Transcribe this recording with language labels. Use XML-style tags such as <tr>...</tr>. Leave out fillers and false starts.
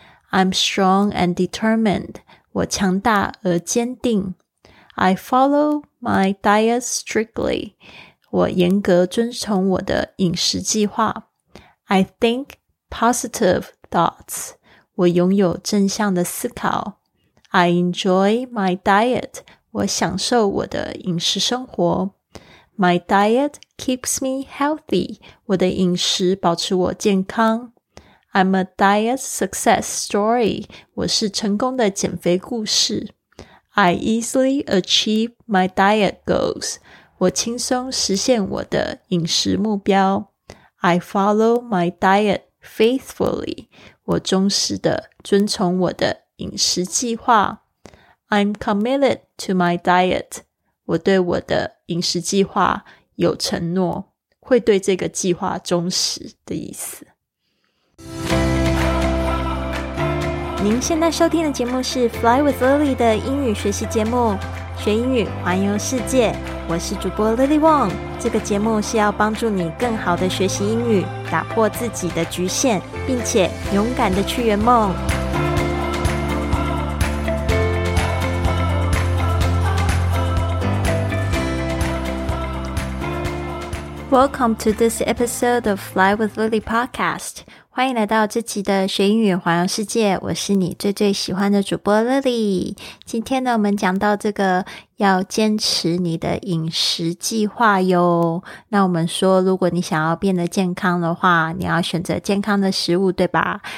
<en>I'm strong and determined.</en> <zh>我强大而坚定。</zh> <en>I follow my diet strictly.</en> <zh>我严格遵从我的饮食计划。</zh> <en>I think positive thoughts.</en> <zh>我拥有正向的思考。</zh> <en>I enjoy my diet.</en> <zh>我享受我的饮食生活。</zh> <en>My diet keeps me healthy.</en> <zh>我的饮食保持我健康。</zh> <en>I'm a diet success story.</en> <zh>我是成功的减肥故事。</zh> <en>I easily achieve my diet goals.</en> <zh>我轻松实现我的饮食目标。</zh> <en>I follow my diet faithfully.</en> <zh>我忠实地遵从我的饮食计划。</zh> <en>I'm committed to my diet.</en> <zh>我对我的饮食计划有承诺，会对这个计划忠实的意思。您现在收听的节目是《Fly with Lily》的英语学习节目，学英语环游世界。我是主播 Lily Wong。这个节目是要帮助你更好的学习英语，打破自己的局限，并且勇敢的去圆梦。</zh> <en>Welcome to this episode of Fly with Lily podcast.</en> <zh>欢迎来到这集的学英语环游世界，我是你最最喜欢的主播 Lily。今天呢，我们讲到这个要坚持你的饮食计划哟。那我们说，如果你想要变得健康的话，你要选择健康的食物，对吧？</zh>